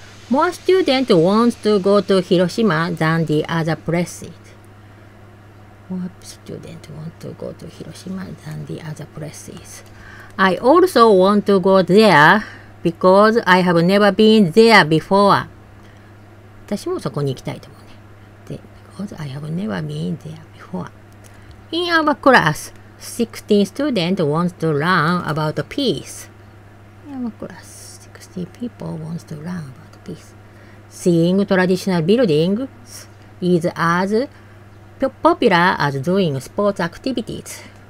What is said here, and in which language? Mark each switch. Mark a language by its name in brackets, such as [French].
[English] More students want to go to Hiroshima than the other places. More students want to go to Hiroshima than the other places. I also want to go there because I have never been there before. [Japanese] 私もそこに行きたいと思うね。 [English] で、Because I have never been there before. In our class, 16 students want to learn about peace. In our class, 16 people want to learn about peace. Seeing traditional buildings is as popular as doing sports activities.